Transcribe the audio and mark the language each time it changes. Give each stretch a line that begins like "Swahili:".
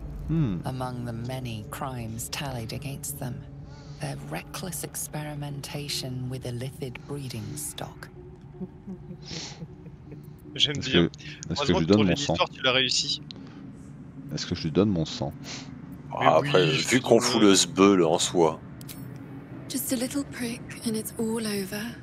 English: Among the many crimes tallied against them, their reckless experimentation with illithid breeding stock.
French: J'aime bien. Est-ce que je lui donne mon sang? Tu l'as réussi. Est-ce que je lui donne mon sang? Après, oui, vu qu'on fout le zbeul en soi.
English: Just a little prick and it's all over.